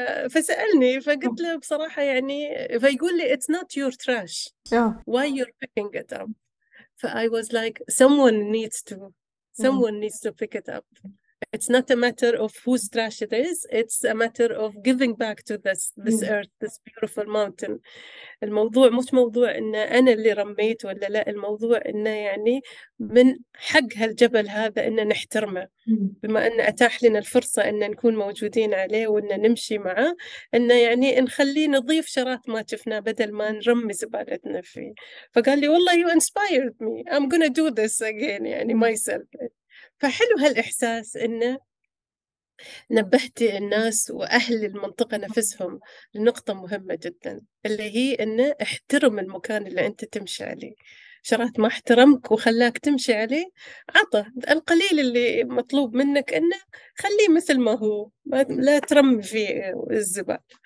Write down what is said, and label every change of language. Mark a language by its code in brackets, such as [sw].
[ar] فسألني فقلت له بصراحة يعني، فيقول لي [en] it's not your trash why you're picking it up. فI was like someone needs to pick it up. It's not a matter of whose trash it is. It's a matter of giving back to this earth, this beautiful mountain. [ar] الموضوع مش موضوع إن أنا اللي رميت ولا لا، الموضوع إنه يعني من حق هالجبل هذا إن نحترمه، بما أن أتاح لنا الفرصة إن نكون موجودين عليه وإن نمشي معه، إن يعني نخليه نضيف شرات ما شفناه بدل ما نرمي زبالتنا فيه. فقال لي والله [en] you inspired me. I'm gonna do this again يعني myself. [ar] فحلو هالإحساس إنه نبهت الناس وأهل المنطقة نفسهم لنقطة مهمة جدا، اللي هي إنه احترم المكان اللي أنت تمشي عليه. شرط ما احترمك وخلاك تمشي عليه، عطى القليل اللي مطلوب منك إنه خليه مثل ما هو، لا ترمي فيه الزبال.